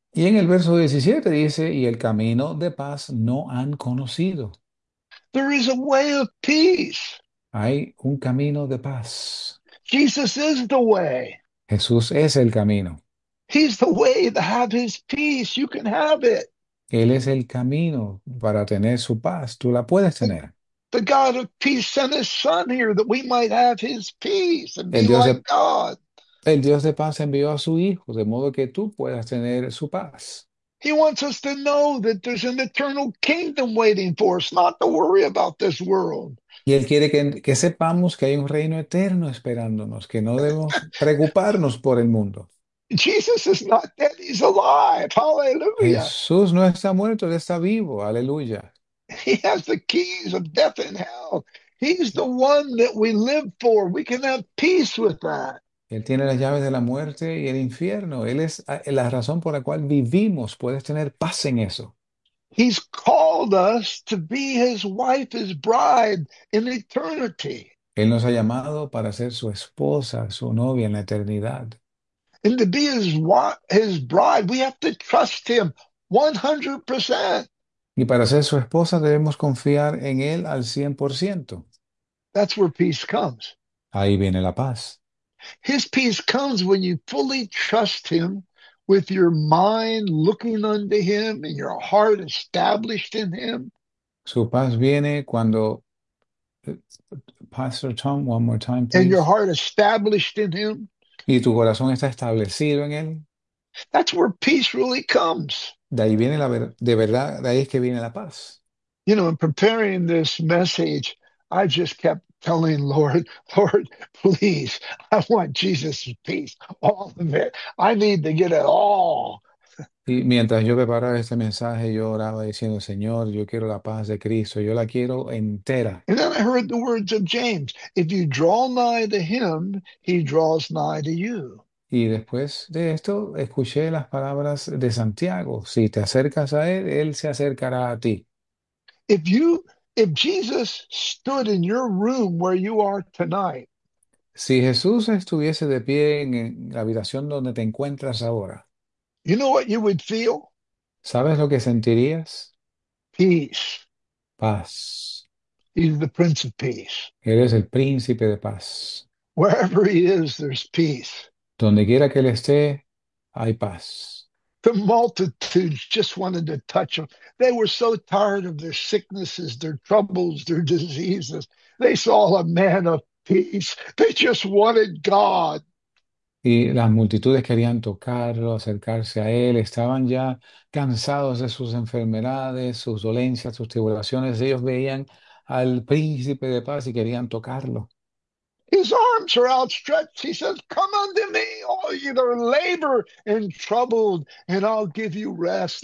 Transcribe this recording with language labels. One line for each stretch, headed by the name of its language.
Spanish: Y en el verso 17 dice, y el camino de paz no han conocido.
English: There is a way of peace.
Spanish: Hay un camino de paz.
English: Jesus is the way.
Spanish: Jesús es el camino.
English: He's the way to have his peace. You can have it.
Spanish: Él es el camino para tener su paz. Tú la puedes tener.
English: The God of peace sent his son here that we might have his peace and
Spanish: El
English: be
Spanish: Dios
English: like
Spanish: de
English: God.
Spanish: paz envió a su Hijo, de modo que tú puedas tener su paz.
English: He wants us to know that there's an eternal kingdom waiting for us, not to worry about this world.
Spanish: Y Él quiere que sepamos que hay un reino eterno esperándonos, que no debemos preocuparnos por el mundo.
English: Jesus is not dead, he's alive. Hallelujah.
Spanish: Jesús no está muerto, Él está vivo. Aleluya.
English: He has the keys of death and hell. He's the one that we live for. We can have peace with that.
Spanish: Él tiene las llaves de la muerte y el infierno. Él es la razón por la cual vivimos. Puedes tener paz en eso.
English: He's called us to be his wife, his bride in eternity.
Spanish: Él nos ha llamado para ser su esposa, su novia en la eternidad.
English: And to be his bride, we have to trust him 100%.
Spanish: Y para ser su esposa debemos confiar en él al 100%.
English: That's where peace comes.
Spanish: Ahí viene la paz.
English: His peace comes when you fully trust him with your mind looking unto him and your heart established in him.
Spanish: Su paz viene cuando,
English: Pastor Tom, one more time, And your please. heart established in him.
Spanish: Y tu corazón está establecido en él.
English: That's where peace really comes.
Spanish: De ahí viene de verdad, de ahí es que viene la paz.
English: You know, in preparing this message, I just kept telling, Lord, Lord, please, I want Jesus' peace, all of it. I need to get it all.
Spanish: Y mientras yo preparaba este mensaje, yo oraba diciendo, Señor, yo quiero la paz de Cristo, yo la quiero entera.
English: Then I heard the words of James, if you draw nigh to him, he draws nigh to you.
Spanish: Y después de esto, escuché las palabras de Santiago. Si te acercas a él, él se acercará a ti.
English: If Jesus stood in your room where you are tonight,
Spanish: Si Jesús estuviese de pie en la habitación donde te encuentras ahora,
English: you know what you would feel?
Spanish: ¿sabes lo que sentirías?
English: Peace.
Spanish: Paz.
English: He's the Prince of Peace.
Spanish: Eres el príncipe de paz.
English: Wherever he is, there's peace.
Spanish: Donde quiera que él esté, hay paz.
English: The multitudes just wanted to touch him. They were so tired of their sicknesses, their troubles, their diseases. They saw a man of peace. They just wanted God.
Spanish: Y las multitudes querían tocarlo, acercarse a él, estaban ya cansados de sus enfermedades, sus dolencias, sus tribulaciones. Ellos veían al príncipe de paz y querían tocarlo.
English: His arms are outstretched. He says, come unto me, all you that are labor and troubled, and I'll give you rest.